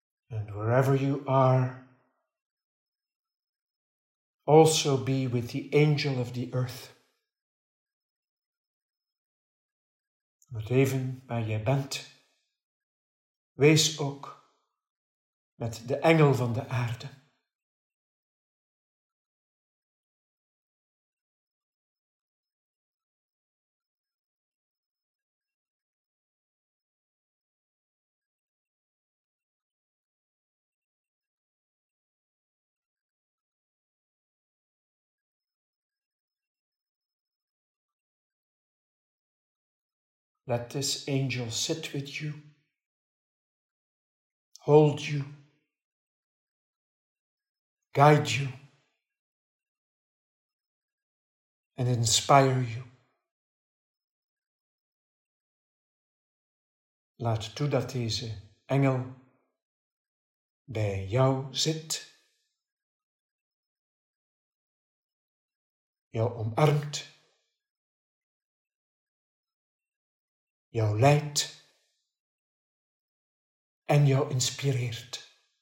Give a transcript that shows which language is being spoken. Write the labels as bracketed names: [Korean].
[English] And wherever you are, also be with the angel of the earth. [Dutch] Maar even waar jij bent, wees ook met de engel van de aarde. [English] Let this angel sit with you, hold you, guide you, and inspire you. [Dutch] Laat toe dat deze engel bij jou zit, jou omarmt, jou leidt en jou inspireert.